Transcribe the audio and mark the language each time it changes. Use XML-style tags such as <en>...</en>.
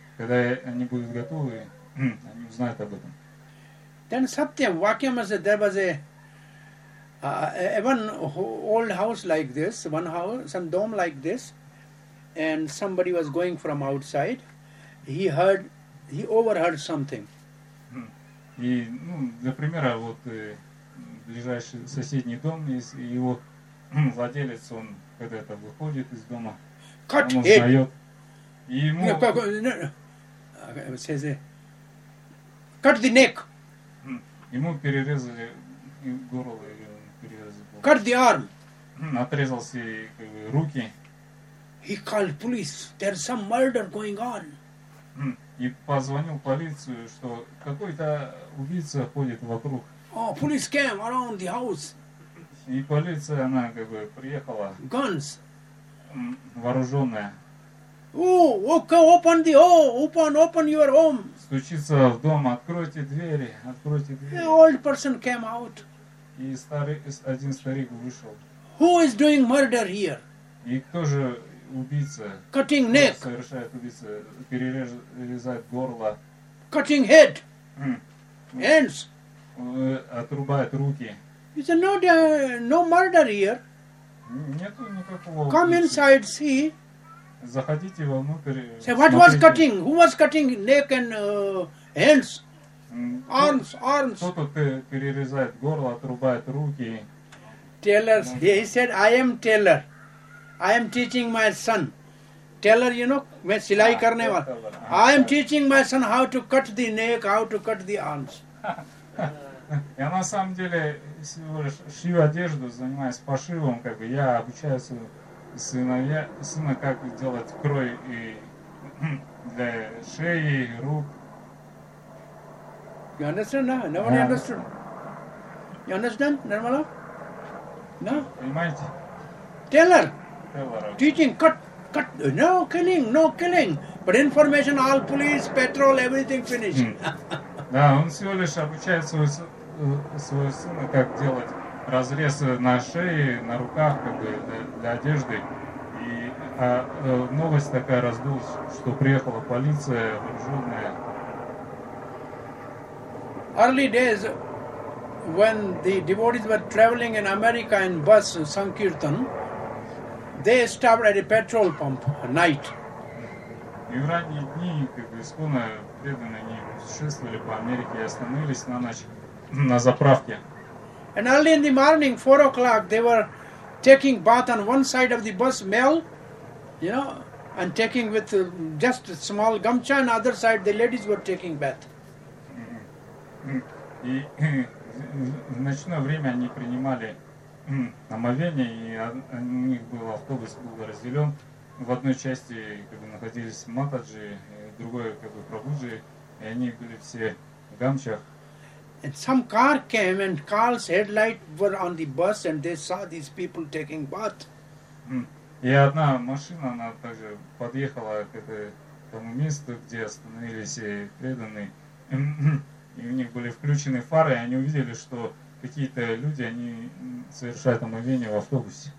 <ru>Когда они будут готовы, они узнают об этом.</ru> <en>Then Satyam Vakyam, there was one old house like this, one house, some dome like this, and somebody was going from outside. He overheard something.</en> <ru>И, для примера, вот ближайший соседний дом, и его владелец, он когда-то выходит из дома,</ru> <en>cut</en> <ru>он узнает, и ему...</ru> <en>Cut the neck!</en> <ru>Ему перерезали горло, и он перерезал.</ru> <en>Cut the arm!</en> <ru>Отрезал себе как бы, руки.</ru> <en>He called police, there's some murder going on.</en> <ru>И позвонил полицию, что какой-то убийца ходит вокруг.</ru> <en>Oh, police came around the house.</en> <ru>И полиция, она как бы приехала.</ru> <en>Guns.</en> <ru>Вооруженная.</ru> <en>Oh, okay, open the hole, open your home.</en> <ru>Стучится в дом, откройте двери.</ru> <en>An old person came out.</en> <ru>И старый, один старик вышел.</ru> <en>Who is doing murder here?</en> <ru>И кто же убийца?</ru> <en>Cutting neck.</en> <ru>Совершает убийца, перерезает горло.</ru> <en>Cutting head. Hands.</en> <ru>Отрубает руки.</ru> <en>He said, no murder here.</en> <ru>Нету никакого.</ru> <en>Come inside, see.</en> <ru>Заходите вовнутрь.</ru> <en>Say, what was cutting? Who was cutting neck and hands? Arms.</en> <ru>Кто-то перерезает горло, отрубает руки.</ru> <en>Tailor. He said, I am tailor. I am teaching my son. Tailor, you know,</en> <hi>main silai karne wala.</hi> <en>I am teaching my son how to cut the neck, how to cut the arms.</en> <ru>Я на самом деле шью одежду, занимаюсь пошивом, как бы я обучаю сына, как делать крой и для шеи, рук.</ru> <en>You understand? Nobody understood. You understand, Nirmala? No?</en> <ru>Понимаете?</ru> <en>Tailor! Okay. Teaching, cut, no killing. But information, all police, patrol, everything finished.</en> <ru>Да, он всего лишь обучает своего сына, как делать разрез на шее, на руках, как бы, для одежды. И новость такая раздулась, что приехала полиция вооруженная.</ru> <en>Early days, when the devotees were traveling in America in bus Sankirtan, they stopped at a petrol pump at night.</en> <ru>И в ранние дни, как бы, исконно преданные, они путешествовали по Америке и остановились на ночь на заправке.</ru> <en>And early in the morning, 4 o'clock, they were taking bath on one side of the bus, male, you know, and taking with just a small gamcha, and other side, the ladies were taking bath.</en> <ru>И в ночное время они принимали омовение, и у них был автобус был разделен. В одной части как бы, находились матаджи, в другой как бы прабуджи, и они были все в гамчах.</ru> <en>And some car came and Carl's headlight were on the bus and they saw these people taking bath.</en> <ru>И одна машина, она также подъехала к тому месту, где остановились преданные. И у них были включены фары, и они увидели, что какие-то люди, они совершают омовение в автобусе.</ru>